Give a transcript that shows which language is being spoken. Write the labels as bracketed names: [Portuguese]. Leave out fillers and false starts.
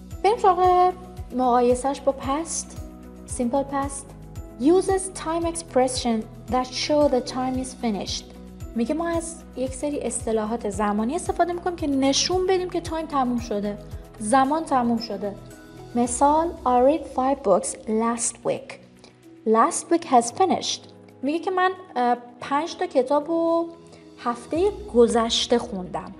[Persian] بریم سراغ مقایسهش با past. [English] Simple past uses time expression that show the time is finished. [Persian] میگه ما از یک سری اصطلاحات زمانی استفاده میکنیم که نشون بدیم که time تموم شده، زمان تموم شده. [English] مثال I read 5 books last week. Last week has finished. [Persian] میگه که من 5 تا کتابو هفته گذشته خوندم.